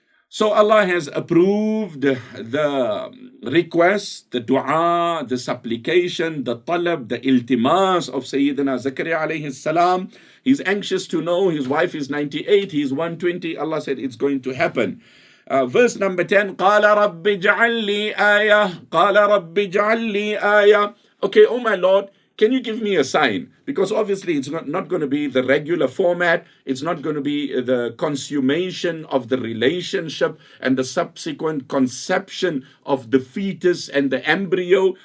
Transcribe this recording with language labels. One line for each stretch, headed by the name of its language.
English: So Allah has approved the request, the dua, the supplication, the talab, the iltimas of Sayyidina Zakaria alayhi salam. He's anxious to know his wife is 98, he's 120. Allah said it's going to happen. Verse number 10,
Arabic: قَالَ رَبِّ جَعَلْ آيَةً. قَالَ رَبِّ جَعَلْ آيَةً.
English: Okay, oh my Lord, can you give me a sign? Because obviously it's not going to be the regular format. It's not going to be the consummation of the relationship and the subsequent conception of the fetus and the embryo.